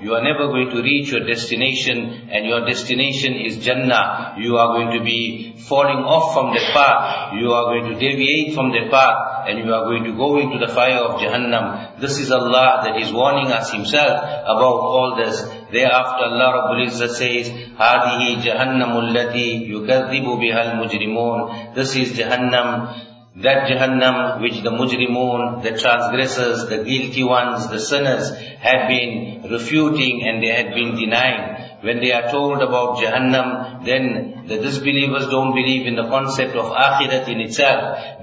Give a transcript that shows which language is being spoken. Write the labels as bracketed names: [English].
[English] You are never going to reach your destination, and your destination is Jannah. You are going to be falling off from the path. You are going to deviate from the path, and you are going to go into the fire of Jahannam. This is Allah that is warning us himself about all this. Thereafter Allah Rabbul Izzah says, [Arabic] هَذِهِ جَهَنَّمُ الَّذِي يُكَذِّبُ بِهَا الْمُجْرِمُونَ. [English] This is Jahannam, that Jahannam which the Mujrimun, the transgressors, the guilty ones, the sinners had been refuting and they had been denying. When they are told about Jahannam, then the disbelievers don't believe in the concept of Akhirat in itself.